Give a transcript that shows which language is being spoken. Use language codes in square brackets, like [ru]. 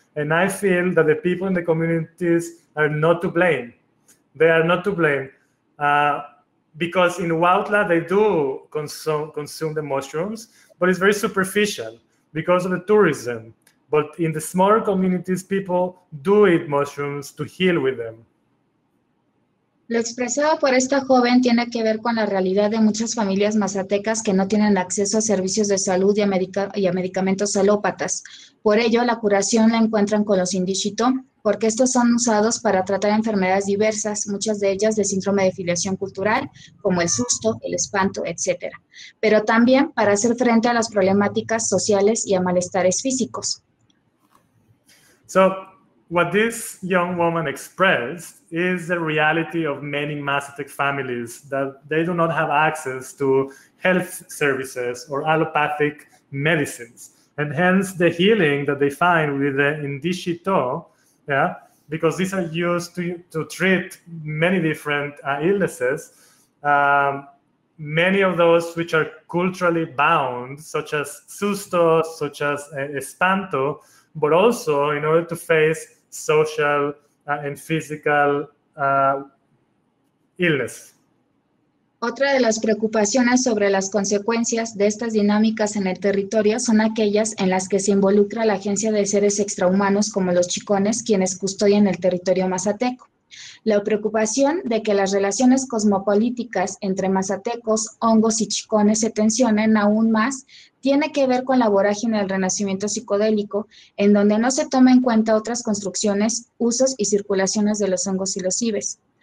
[en] And I feel that the people in the communities are not to blame. They are not to blame. Because in Huautla, they do consume the mushrooms, but it's very superficial because of the tourism. But in the smaller communities, people do eat mushrooms to heal with them. [es] Lo expresado por esta joven tiene que ver con la realidad de muchas familias mazatecas que no tienen acceso a servicios de salud y a medicamentos alópatas. Por ello, la curación la encuentran con los indichito, porque estos son usados para tratar enfermedades diversas, muchas de ellas de síndrome de filiación cultural, como el susto, el espanto, etc. Pero también para hacer frente a las problemáticas sociales y a malestares físicos. [en] So, what this young woman expressed is the reality of many Mazatec families, that they do not have access to health services or allopathic medicines. And hence the healing that they find with the indichito, yeah, because these are used to treat many different illnesses. Many of those which are culturally bound, such as susto, such as espanto, but also in order to face social and physical illness. [es] Otra de las preocupaciones sobre las consecuencias de estas dinámicas en el territorio son aquellas en las que se involucra la agencia de seres extrahumanos como los chicones, quienes custodian el territorio mazateco. La preocupación de que las relaciones cosmopolíticas entre mazatecos, hongos y chicones se tensionen aún más tiene que ver con la vorágine del renacimiento psicodélico, en donde no se toma en cuenta otras construcciones, usos y circulaciones de los hongos y los ibes.